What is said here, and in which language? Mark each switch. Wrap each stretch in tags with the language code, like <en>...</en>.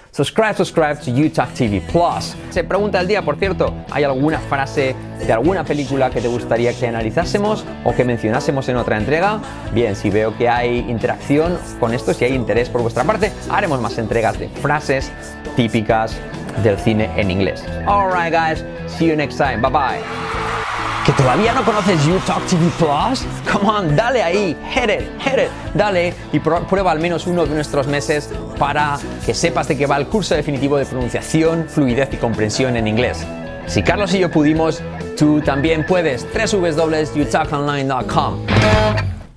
<en>Subscribe to UATalk TV Plus.</en> <es>Se pregunta el día, por cierto, ¿hay alguna frase de alguna película que te gustaría que analizásemos o que mencionásemos en otra entrega? Bien, si veo que hay interacción con esto, si hay interés por vuestra parte, haremos más entregas de frases típicas del cine en inglés.</es> <en>All right, guys, see you next time. Bye bye.</en> <es>¿Que todavía no conoces UATalk TV Plus?</es> <en>Come on,</en> <es>dale ahí,</es> <en>hit it,</en> <es>dale y prueba al menos uno de nuestros meses para que sepas de qué va el curso definitivo de pronunciación, fluidez y comprensión en inglés. Si Carlos y yo pudimos, tú también puedes. www.utalkonline.com.</es>